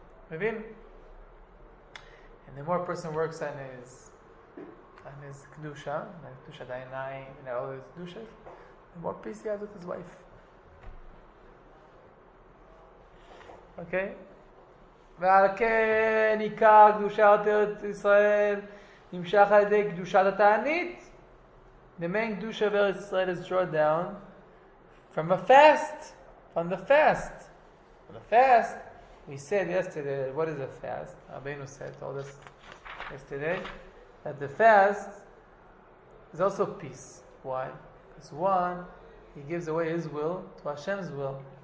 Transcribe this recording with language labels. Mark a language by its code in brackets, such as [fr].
[en] Mevin? And the more a person works on his kedusha, on his kedusha da'inai, and all his kedushas, the more peace he has with his wife. Okay? [he] ועל כן עיקר קדושת ארץ ישראל נמשך על ידי קדושת התענית. [en] The main קדושה of ארץ ישראל is drawn down from a fast. From the fast. From the fast. We said yesterday, what is a fast? Rabbeinu said, told us yesterday, that the fast is also peace. Why? Because one, he gives away his will to Hashem's will.